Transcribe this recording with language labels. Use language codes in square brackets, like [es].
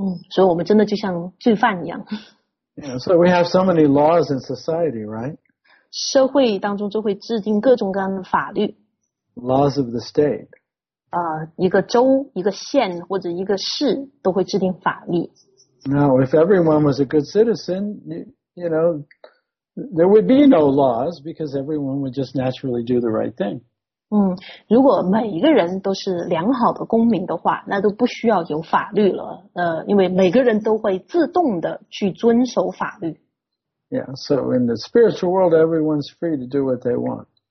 [zh] 所以我们真的就像罪犯一样。 [en] Yeah, so we have so many laws in society, right? [zh] 社会当中就会制定各种各样的法律。 [en] Laws of the state. [zh] 一个州、一个县或者一个市都会制定法律。 [en] Now, if everyone was a good citizen, you know, there would be no laws because everyone would just naturally do the right thing. [zh] 如果每一个人都是良好的公民的话，那都不需要有法律了。因为每个人都会自动的去遵守法律。 [en] Yeah, so in the spiritual world, everyone's free to do what they want.